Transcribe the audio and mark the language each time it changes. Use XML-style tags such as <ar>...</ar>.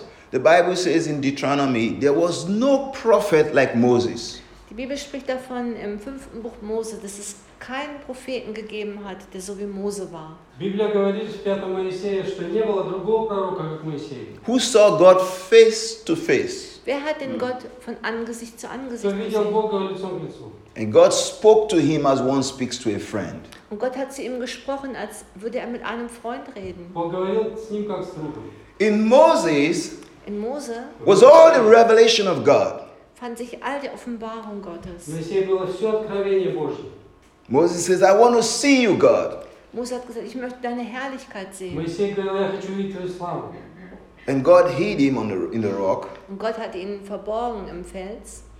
<en>The Bible says in Deuteronomy, there was no prophet like Moses.</en> <de>Die Bibel spricht davon im fünften Buch Mose, dass es keinen Propheten gegeben hat, der so wie Mose war.</de> <ru>Библия говорит в пятом Моисея, что не было другого пророка, как Моисей.</ru> <en>Who saw God face to face?</en> <de>Wer hat den Gott von Angesicht zu Angesicht gesehen?</de> <ru>Видел Бога лицом к лицу.</ru> <en>And God spoke to him as one speaks to a friend.</en> <de>Und Gott hat zu ihm gesprochen, als würde er mit einem Freund reden.</de> <ru>Он говорил с ним как с другом.</ru> <de>In Mose</de> <en>was all the revelation of God.</en> <de>Fand sich all die Offenbarung Gottes.</de> <ru>Моисей было все откровение Божье.</ru> <en>Moses says, I want to see you, God.</en> <de>Mose hat gesagt, ich möchte deine Herrlichkeit sehen.</de> <ru>Моисей говорил, я хочу видеть твою славу.</ru> <en>And God hid him in the rock.</en> <de>Und Gott hat ihn verborgen im Fels.</de>